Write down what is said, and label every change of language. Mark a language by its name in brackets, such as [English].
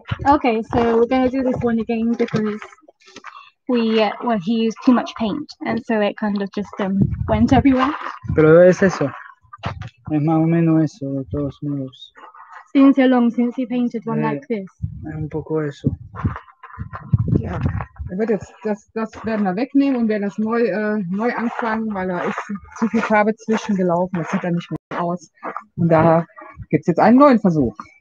[English] Okay, so we're going to do this one again because he used too much paint and so it kind of just went everywhere. [Spanish] Pero es eso. Es más o menos eso, de todos modos. [English] Since how long since you painted one like this? [Spanish] Un poco eso. [German] Ja, er wird jetzt das werden wir wegnehmen und werden das neu anfangen, weil da ist zu viel Farbe zwischengelaufen. Das sieht dann nicht mehr aus. Und da gibt es jetzt einen neuen Versuch.